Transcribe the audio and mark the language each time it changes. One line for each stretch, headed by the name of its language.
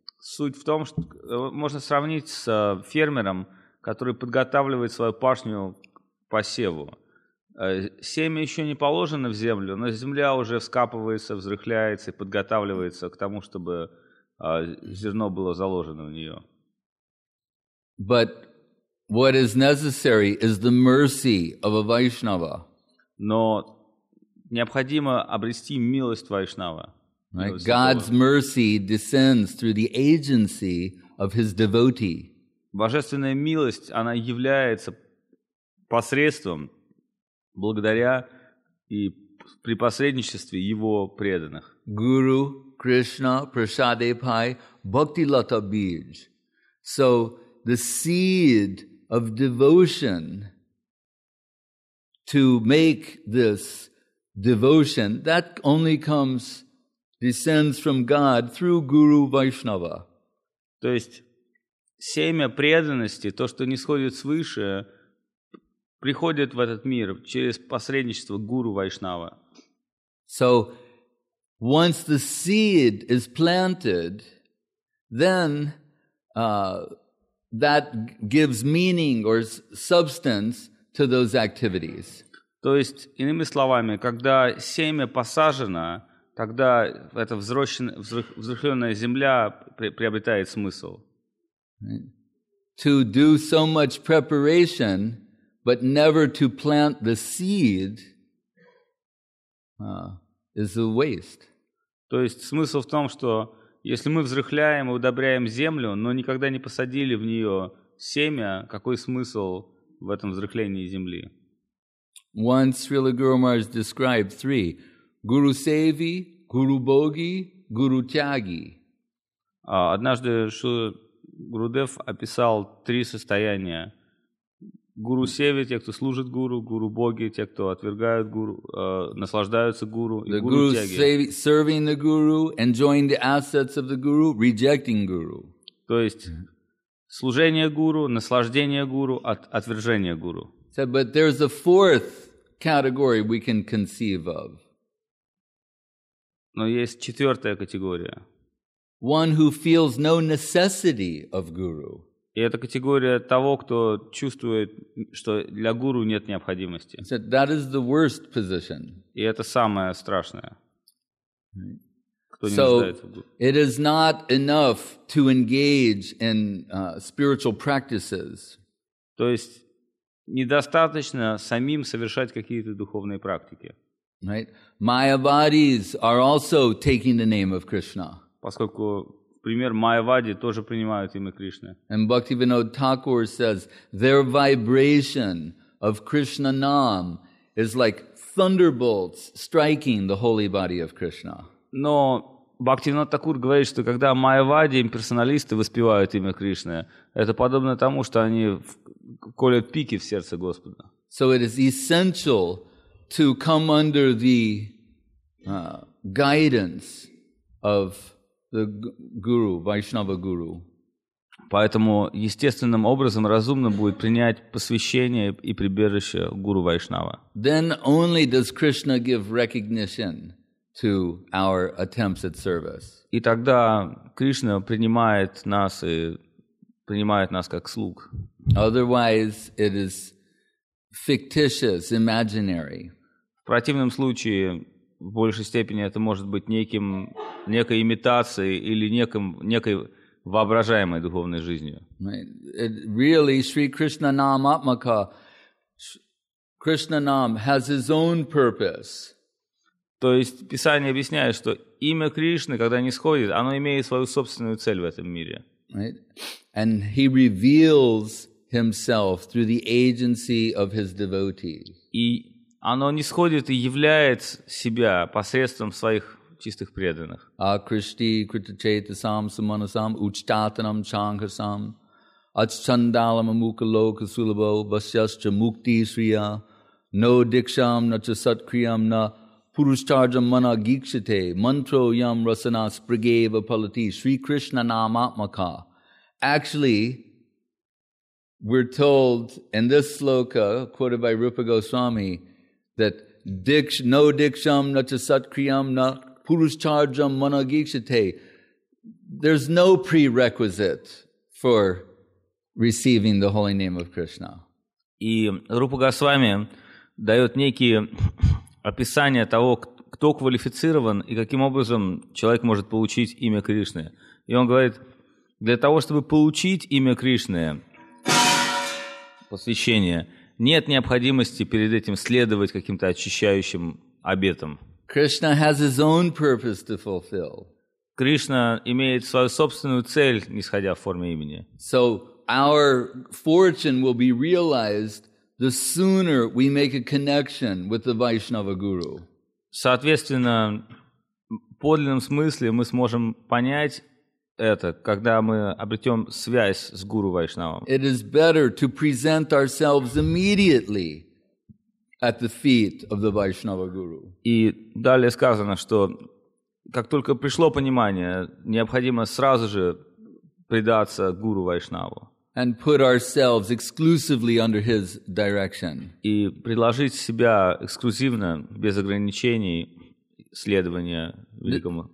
Russian: Суть в том, что можно сравнить с фермером, который подготавливает свою пашню к посеву. Семя еще не положено в землю, но земля уже вскапывается, взрыхляется и подготавливается к тому, чтобы зерно было заложено в нее.
English: But what is necessary is the mercy of a Vaishnava.
Russian: Но необходимо обрести милость Вайшнава.
English: Right. God's mercy descends through the agency of his devotee.
Russian: Божественная милость, она является посредством, благодаря и при посредничестве его преданных.
Bangla: Guru, Krishna, Prasadepai, Bhakti Lata Bij.
English: So the seed of devotion to make this devotion that only comes descends from God through Guru Vaishnava.
Russian: То есть семя преданности, то что нисходит свыше, приходит в этот мир через посредничество Гуру Вайшнава.
English: So once the seed is planted, then that gives meaning or substance to those activities.
Russian: То есть, иными словами, когда семя посажено, тогда эта взрыхленная земля приобретает смысл.
English: To do so much preparation, but never to plant the seed, is a waste.
Russian: То есть, смысл в том, что если мы взрыхляем и удобряем землю, но никогда не посадили в нее семя, какой смысл в этом взрыхлении земли?
English: Once Srila Guru Maharaj described three: Guru Sevi, Guru Bogi, Guru Tyagi.
Russian: Однажды Шрила Гурудев описал три состояния: Guru Sevi, те, кто служит Гуру, Guru Bogi, те, кто отвергают Гуру, наслаждаются Гуру, и Guru Tyagi.
English: Serving the Guru, enjoying the assets of the Guru, rejecting Guru.
Russian: То есть служение Гуру, наслаждение Гуру, отвержение Гуру.
English: Said, but there's a fourth category we can conceive of.
Russian: Но есть четвертая категория.
English: One who feels no necessity of guru.
Russian: И это категория того, кто чувствует, что для гуру нет необходимости.
English: So that is the worst position.
Russian: И это самое страшное.
English: So it is not enough to engage in spiritual practices.
Russian: То есть недостаточно самим совершать какие-то духовные практики.
English: Right? Mayavadis are also taking the name of Krishna.
Russian: Поскольку, например, майявади тоже принимают имя Кришны.
English: And Bhaktivinoda Thakur says their vibration of Krishna Nam is like thunderbolts striking the holy body of Krishna.
Russian: Но Бхактивинода Такур говорит, что когда майявади, имперсоналисты, воспевают имя Кришны, это подобно тому, что они колят пики в сердце Господа.
English: So it is essential to come under the guidance of the guru, Vaishnava guru.
Russian: Поэтому естественным образом разумно будет принять посвящение и прибежище гуру Вайшнава.
English: Then only does Krishna give recognition to our attempts at service.
Russian: И тогда Кришна принимает нас и принимает нас как слуг.
English: Otherwise, it is fictitious, imaginary.
Russian: В противном случае, в большей степени, это может быть неким, некой имитацией или неким, некой воображаемой духовной жизнью.
English: It really, Sri Krishna Nam Atmaka, Krishna Nam has his own purpose.
Russian: То есть Писание объясняет, что имя Кришны, когда нисходит, оно имеет свою собственную цель в этом мире.
English: Right? And he reveals himself through the agency of his devotee.
Russian: И оно нисходит и являет себя посредством своих чистых преданных.
Sanskrit: Акришти критачетасам суманасам учтатанам чангасам аччандалам амукалока сулабо басяща мукти срия но дикшам нача саткриям на Purushcharjam mana gikshate mantro yam rasana sprigeva palati Sri Krishna namatmaka.
English: Actually, we're told in this sloka, quoted by Rupa Goswami, that
Sanskrit: no diksham na cha satkriyam na purushcharjam mana gikshate.
English: There's no prerequisite for receiving the holy name of Krishna.
Russian: И Рупа Госвами дает некие описание того, кто квалифицирован и каким образом человек может получить имя Кришны. И он говорит, для того, чтобы получить имя Кришны, посвящение, нет необходимости перед этим следовать каким-то очищающим обетам.
English: Krishna has his own purpose to fulfill.
Russian: Кришна имеет свою собственную цель, нисходя в форме имени.
English: So our fortune will be realized the sooner we make a connection with the Vaishnava guru.
Russian: Соответственно, в подлинном смысле мы сможем понять это, когда мы обретем связь с гуру Вайшнавом.
English: It is better to present ourselves immediately at the feet of the Vaishnava guru.
Russian: И далее сказано, что как только пришло понимание, необходимо сразу же предаться гуру Вайшнаву.
English: And put ourselves exclusively under his direction.
Russian: И предложить себя эксклюзивно, без ограничений, следования великому.